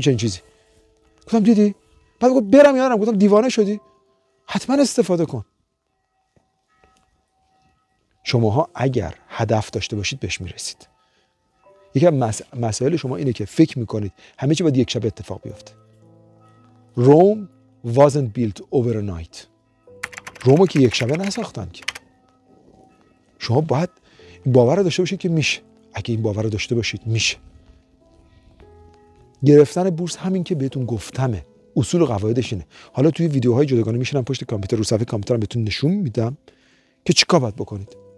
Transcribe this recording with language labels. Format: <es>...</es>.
<fa>چنین چیزی گفتم دیدی؟ بعد گفت برم یارم، گفتم دیوانه شدی؟ حتما استفاده کن. شماها اگر هدف داشته باشید بهش میرسید. یکی از مسائل شما اینه که فکر میکنید همه چی باید یک شب اتفاق بیفته.</fa> <en>Rome wasn't built overnight.</en> <fa>رومو که یک شبه نساختن که. شما باید این باور داشته باشید که میشه. اگه این باور داشته باشید میشه. گرفتن بورس همین که بهتون گفتمه، اصول و قواعدش اینه. حالا توی ویدیوهای جداگانه میشنم پشت کامپیوتر، رو صفحه کامپیوترم بهتون نشون میدم که چیکار باید بکنید.</fa>